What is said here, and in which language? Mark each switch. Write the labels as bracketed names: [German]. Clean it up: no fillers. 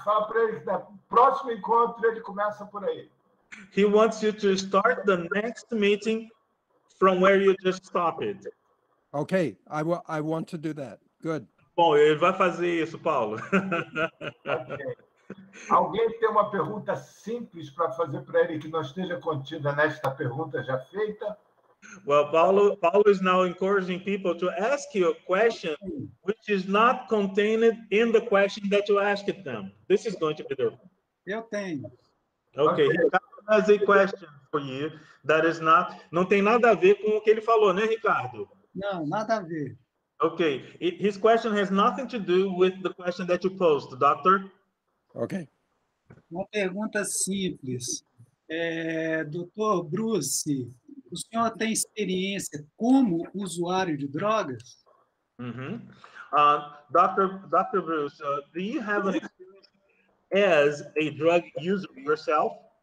[Portuguese] Fala para ele que no próximo encontro ele começa por aí. [English] He wants you to start the next meeting from where you just stopped. Okay, I want to do that. Good. [Portuguese] Bom, ele vai fazer isso, Paulo. Okay. Alguém tem uma pergunta simples para fazer para ele que não esteja contida nesta pergunta já feita? [English] Well, Paulo is now encouraging people to ask you a question which is not contained in the question that you asked them. This is going to be the... [Portuguese] Eu tenho. [English] Okay. Has a question for you that is not, [Portuguese] não tem nada a ver com o que ele falou, né, Ricardo? Não, nada a ver. [English] Okay, his question has nothing to do with the question that you posed, doctor. Okay. [Portuguese] Uma pergunta simples. Doutor Bruce, o senhor tem experiência como usuário de drogas? [English] Uh-huh. Dr. Bruce, do you have an experience as a drug user yourself?